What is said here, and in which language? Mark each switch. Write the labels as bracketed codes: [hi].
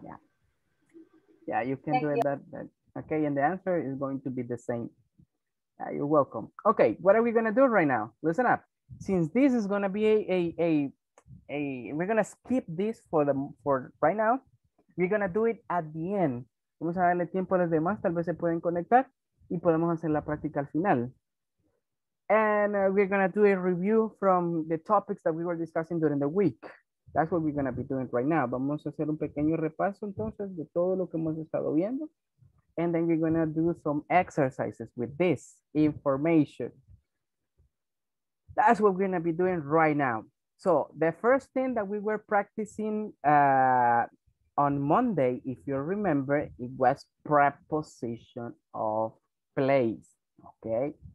[en] Yeah. Yeah, you can do it. That. Okay, and the answer is going to be the same. You're welcome. Okay, what are we gonna do right now? Listen up. Since this is gonna be a we're gonna skip this for right now. We're gonna do it at the end. [es] Vamos a darle tiempo a los demás, tal vez se pueden conectar y podemos hacer la práctica al final. [en] And we're gonna do a review from the topics that we were discussing during the week. That's what we're gonna be doing right now. [es] Vamos a hacer un pequeño repaso entonces de todo lo que hemos estado viendo. [en] And then you're gonna do some exercises with this information. That's what we're gonna be doing right now. So the first thing that we were practicing on Monday, if you remember, it was preposition of place, okay?